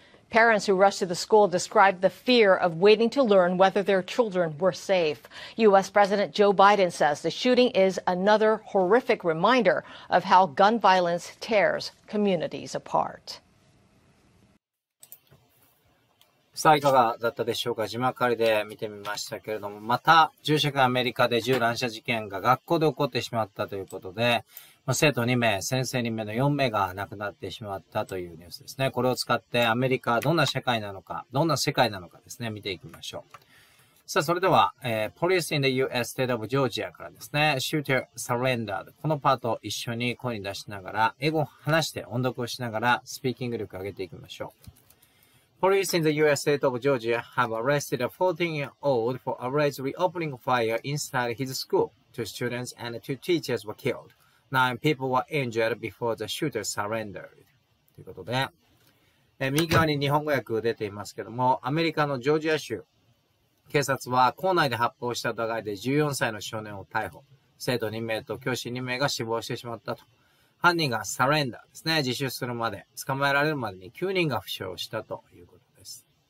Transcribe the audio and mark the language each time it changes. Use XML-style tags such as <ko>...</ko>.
<en>Parents who rushed to the school described the fear of waiting to learn whether their children were safe. U.S. President Joe Biden says the shooting is another horrific reminder of how gun violence tears communities apart.</en> <ja>さあ、いかがだったでしょうか。字幕借りで見てみましたけれども、また、銃社会アメリカで銃乱射事件が学校で起こってしまったということで、まあ、生徒2名、先生2名の4名が亡くなってしまったというニュースですね。これを使って、アメリカはどんな社会なのか、どんな世界なのかですね、見ていきましょう。さあ、それでは、</ja> <en>Police in the US State of Georgia</en> <ja>からですね、</ja> <en>Shooter Surrendered。</en> <ja>このパートを一緒に声に出しながら、英語を話して音読をしながら、スピーキング力を上げていきましょう。</ja> <en>Police in the U.S. state of Georgia have arrested a 14-year-old for allegedly opening fire inside his school. Two students and two teachers were killed. Nine people were injured before the shooter surrendered.</en> <ja>ということで、右側に日本語訳出ていますけども、アメリカのジョージア州、警察は校内で発砲した疑いで14歳の少年を逮捕。生徒2名と教師2名が死亡してしまったと。犯人がサレンダーですね。自首するまで、捕まえられるまでに9人が負傷したということです。</ja>